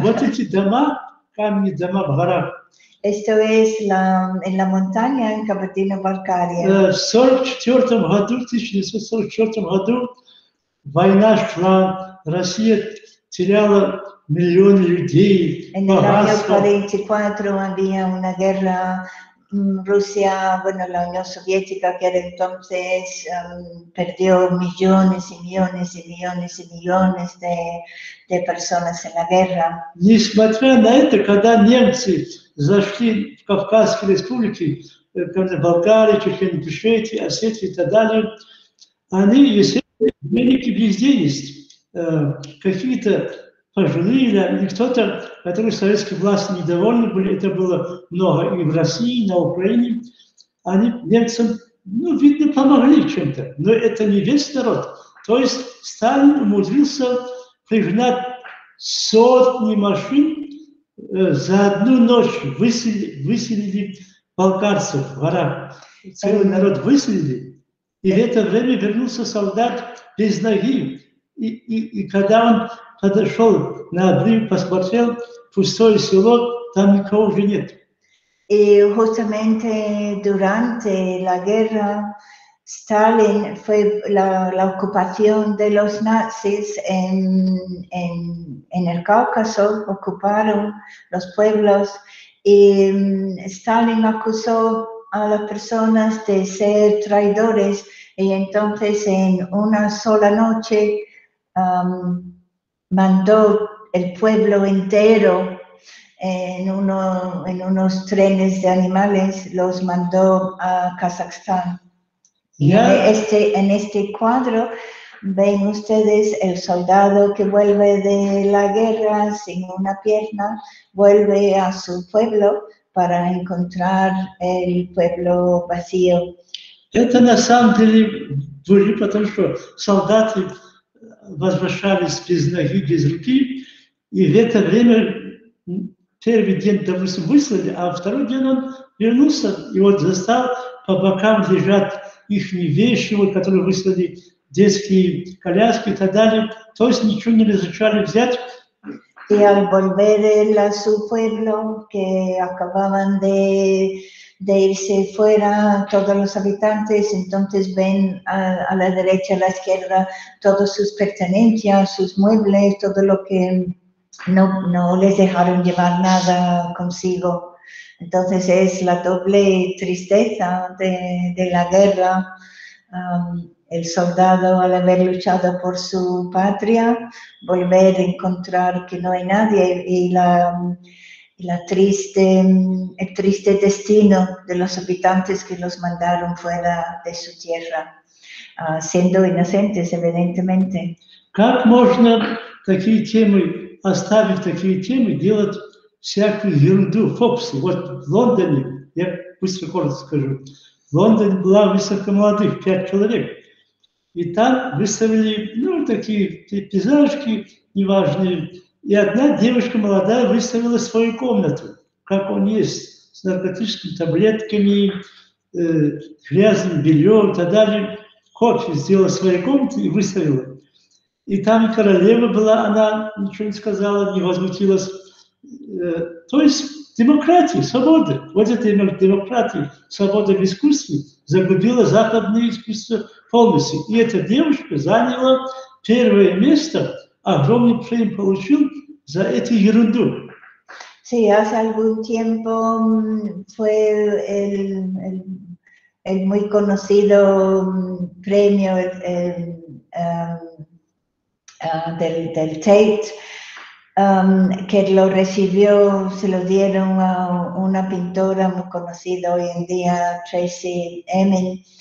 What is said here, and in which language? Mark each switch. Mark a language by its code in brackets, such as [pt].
[ru] Вот эти дома, каменные дома в горах. [es] Esto es en la montaña, en Кабардино-Балкария. [ru] В 1944 году, в 1944 году, война шла, Россия теряла миллионы людей. [es] En el año 44 había una guerra. Rusia, bueno, la Unión Soviética, que era entonces, perdió millones y millones y millones y millones de personas en la guerra. [ru] Несмотря на это, когда немцы зашли в Кавказские республики, когда Болгария, Чехия, Ингушетия, Осетия и так далее, они, естественно, великие везде есть. Какие-то пожилые, да, или кто-то, которые советские власти недовольны были, это было много и в России, и на Украине, они немцам, ну, видно, помогли чем-то, но это не весь народ. То есть Сталин умудрился пригнать сотни машин, за одну ночь выселили балканцев в горах, целый народ выселили, и в это время вернулся солдат без ноги, и когда он подошел на обрыв, посмотрел, пустое село, там никого уже нет. [es] И justamente durante la guerra, Stalin fue la ocupación de los nazis en el Cáucaso, ocuparon los pueblos, y Stalin acusó a las personas de ser traidores, y entonces en una sola noche mandó el pueblo entero en unos trenes de animales, los mandó a Kazajstán. Yeah. Y en este cuadro ven ustedes el soldado que vuelve de la guerra sin una pierna, vuelve a su pueblo para encontrar el pueblo vacío. [ru] Это на самом деле были, потому что солдаты возвращались без ноги, без руки, и в это время первый день, допустим, выслали, а второй день он вернулся, и вот застал, по бокам лежат их вещи, вот, которые выслали детские коляски и так далее, то есть ничего не разрешали взять. [es] И al volver él a su pueblo, que acababan de irse fuera todos los habitantes, entonces ven a la derecha, a la izquierda, todas sus pertenencias, sus muebles, todo lo que no les dejaron llevar nada consigo. Entonces es la doble tristeza de la guerra, el soldado al haber luchado por su patria, volver a encontrar que no hay nadie y el triste destino de los habitantes que los mandaron fuera de su tierra, siendo inocentes, evidentemente. [ru] ¿Cómo можно такие темы оставить, такие темы делать? Всякую ерунду, фокусы. Вот в Лондоне, я быстро коротко скажу, в Лондоне была выставка молодых, 5 человек. И там выставили, ну, такие пейзажки неважные. И одна девушка молодая выставила свою комнату, как он есть, с наркотическими таблетками, грязным бельем и так далее. Кофе сделала в своей комнате и выставила. И там королева была, она ничего не сказала, не возмутилась. То есть демократия, свобода, вот это демократия, свобода в искусстве загубила западное искусство полностью. И эта девушка заняла первое место, огромный премий получил за эту ерунду. [es] Sí, hace algún tiempo fue el muy conocido premio del Tate. Que lo recibió, se lo dieron a una pintora muy conocida hoy en día, Tracy Emin,